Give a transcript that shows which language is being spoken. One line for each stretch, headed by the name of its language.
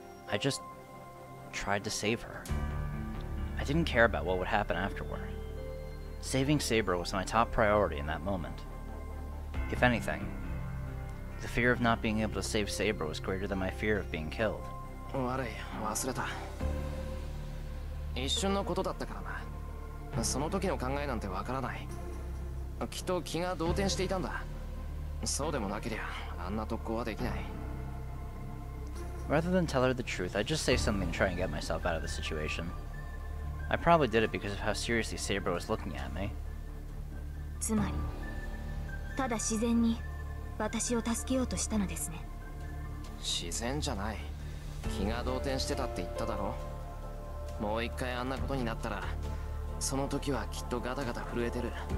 English: I just tried to save her. I didn't care about what would happen afterward. Saving Saber was my top priority in that moment. If anything, the fear of not being able to save Saber was greater than my fear of being killed. Sorry, I forgot.
Japanese: 一瞬のことだったからな。その時の考えなんてわからない。きっと気が動転していたんだ。そうでもなけりゃあんな特攻はできない。
English: Rather than tell her the truth, I just say something to try and get myself out of the situation. I probably did it because of how seriously Saber was looking at me.
Japanese: つまりただ自然に私を助けようとしたのですね。自然じゃない、気が動転してたって言っただろ。もう一回あんなことになったら、その時はきっとガタガタ震えてる。